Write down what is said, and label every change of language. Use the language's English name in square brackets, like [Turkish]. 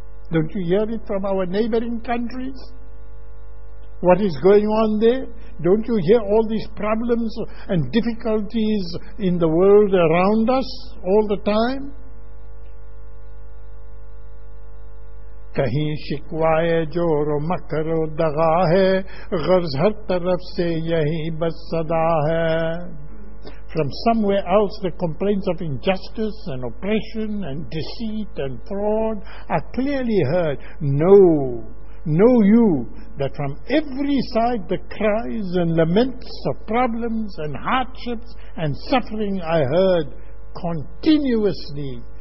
[English] Don't you hear it from our neighboring countries? What is going on there? Don't you hear all these problems and difficulties in the world around us all the time? [Urdu] کہیں شکوائے جور و مکر و دغا ہے, غرض ہر طرف سے یہی بس صدا ہے. [English] From somewhere else, the complaints of injustice and oppression and deceit and fraud are clearly heard. Know you that from every side the cries and laments of problems and hardships and suffering are heard continuously.